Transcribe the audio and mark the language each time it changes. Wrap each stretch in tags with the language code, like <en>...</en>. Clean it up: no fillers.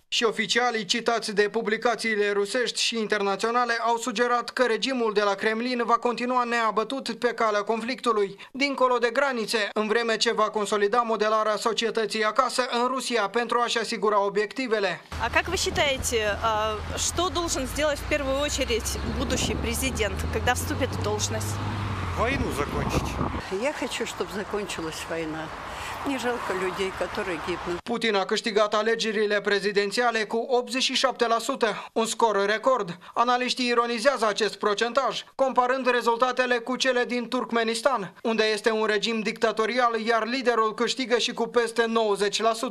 <ro>Și oficialii citați de publicațiile rusești și internaționale au sugerat că regimul de la Kremlin va continua neabătut pe calea conflictului, dincolo de granițe, în vreme ce va consolida modelarea societății acasă în Rusia pentru a-și asigura obiectivele.</ro> <ru>А как вы считаете, что должен сделать в первую очередь будущий президент, когда вступит в должность? Войну закончить. Я хочу, чтобы закончилась война.</ru> <ro>Putin a câștigat alegerile prezidențiale cu 87%, un scor record. Analiștii ironizează acest procentaj, comparând rezultatele cu cele din Turkmenistan, unde este un regim dictatorial, iar liderul câștigă și cu peste 90%.</ro>